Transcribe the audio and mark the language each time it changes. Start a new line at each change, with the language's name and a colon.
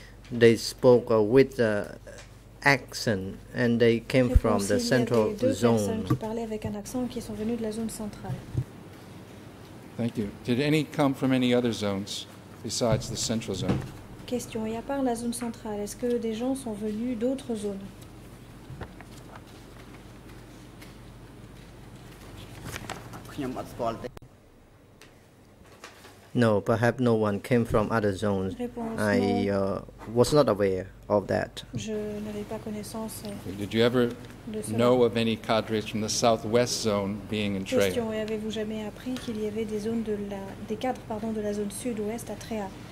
English: They spoke with the accent and they came from the central zone.
French: Il y avait deux personnes qui parlaient avec un accent qui sont venues de la zone centrale.
English: Thank you. Did any come from any other zones besides the central zone?
French: Question. Et à part la zone centrale, est-ce que des gens sont venus d'autres zones?
English: Non. No, perhaps no one came from other zones.
French: Réponse,
English: was not aware of that.
French: Je n'avais pas connaissance.
English: Did you ever know of any cadres from the southwest zone being in Tréa?
French: Question, et avez-vous jamais appris qu'il y avait des zones de la, des cadres, pardon, de la zone sud-ouest à Tréa?